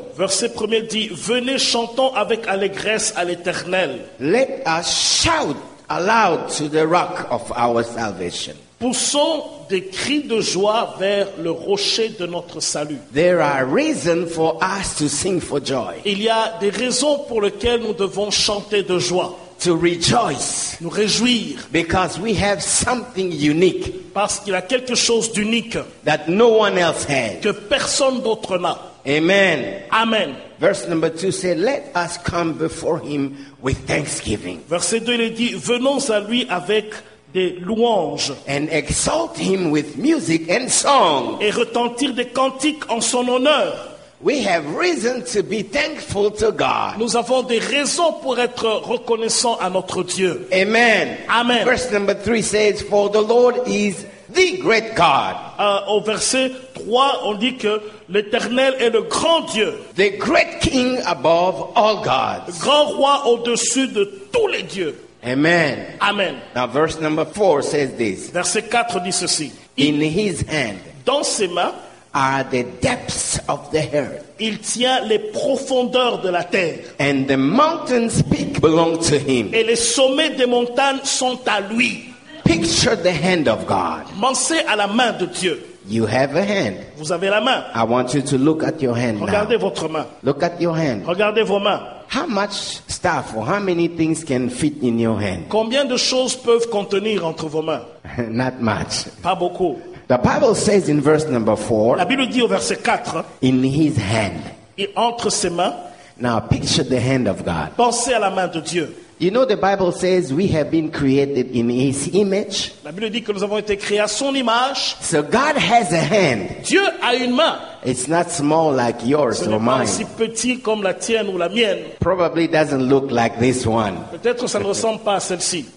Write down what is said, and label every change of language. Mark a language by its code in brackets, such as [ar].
[fr] Verset 1 dit, "Venez chantons avec allégresse à l'Éternel." [en] Let us shout aloud to the rock of our salvation. [fr] Poussons des cris de joie vers le rocher de notre salut. [en] There are reasons for us to sing for joy. [fr] Il y a des raisons pour lesquelles nous devons chanter de joie. [en] To rejoice. [fr] Nous réjouir. [en] Because we have something unique. [fr] Parce qu'il y a quelque chose d'unique. [en] That no one else has. [fr] Que personne d'autre n'a. [en] Amen. [fr] Amen. [en] Verse number 2 says, "Let us come before him with thanksgiving." [fr] Verset 2 il dit, "Venons à lui avec des louanges." [en] And exalt him with music and song. [fr] Et retentir des cantiques en son honneur. [en] We have reason to be thankful to God. [fr] Nous avons des raisons pour être reconnaissants à notre Dieu. [en] Amen. [fr] Amen. [en] Verse number 3 says, "For the Lord is the great God." [fr] Au verset 3, on dit que l'Éternel est le grand Dieu. [en] The great king above all gods. [fr] Grand roi au-dessus de tous les dieux. [en] Amen. [fr] Amen. [en] Now verse number 4 says this. [fr] Verset 4 dit ceci. [en] In his hand. [fr] Dans ses mains. [en] Are the depths of the earth. [fr] Il tient les profondeurs de la terre. [en] And the mountains peak belong to him. [fr] Et les sommets des montagnes sont à lui. [en] Picture the hand of God. [fr] Pensez à la main de Dieu. [en] You have a hand. [fr] Vous avez la main. [en] I want you to look at your hand. [fr] Regardez [en] now. [fr] Votre main. [en] Look at your hand. [fr] Regardez vos mains. [en] How much stuff or how many things can fit in your hand? [fr] Combien de choses peuvent contenir entre vos mains? [en] Not much. [fr] Pas beaucoup. [en] The Bible says in verse number 4. [fr] La Bible dit au verset 4. [en] In his hand. [fr] Et entre ses mains. [en] Now picture the hand of God. [fr] Pensez à la main de Dieu. [en] You know the Bible says we have been created in his image. [fr] La Bible dit que nous avons été créés à son image. [en] So God has a hand. [fr] Dieu a une main. [en] It's not small like yours or mine. [fr] Ce n'est pas si petit comme la tienne ou la mienne. [en] Probably doesn't look like this one. [fr] Peut-être ça ne ressemble pas à celle-ci.